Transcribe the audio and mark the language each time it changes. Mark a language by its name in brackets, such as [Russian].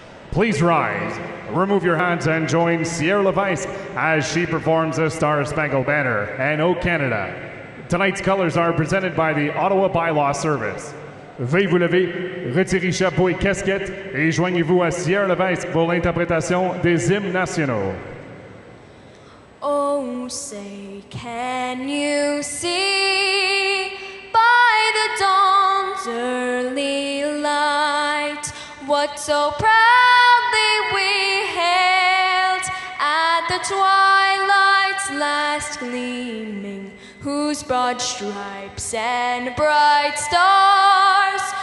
[English] Please rise, remove your hats, and join Sierra Levesque as she performs the Star Spangled Banner and O Canada. Tonight's colors are presented by the Ottawa Bylaw Service. [French] Veuillez vous lever, retirez chapeau et casquette, et joignez-vous à Sierra Levesque pour l'interprétation des hymnes nationaux. [English] Oh, say can you see by the dawn's early light what so proudly we hailed at the twilight's last gleaming, whose broad stripes and bright stars